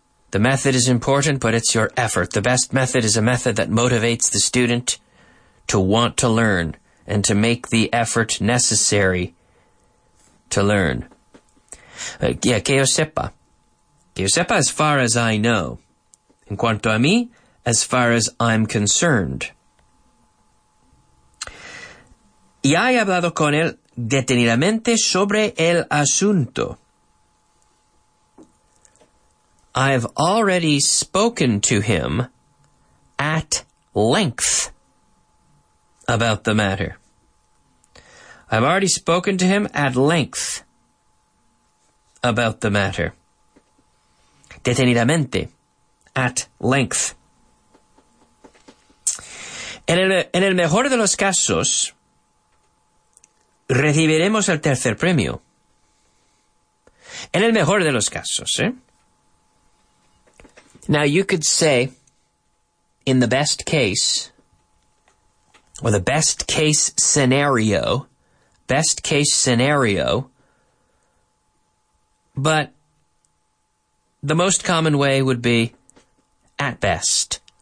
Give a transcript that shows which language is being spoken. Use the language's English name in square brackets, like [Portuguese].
[English] The method is important, but it's your effort. The best method is a method that motivates the student to want to learn and to make the effort necessary to learn. [Spanish] Yeah, que yo sepa. Que yo sepa, [English] as far as I know. [Spanish] En cuanto a mí, [English] as far as I'm concerned. [Spanish] Ya he hablado con él detenidamente sobre el asunto. [English] I've already spoken to him at length about the matter. I've already spoken to him at length about the matter. [Spanish] Detenidamente, [English] at length. [Spanish] En el mejor de los casos, recibiremos el tercer premio. En el mejor de los casos, ¿eh? [English] Now, you could say, in the best case, or the best case scenario, but the most common way would be, at best.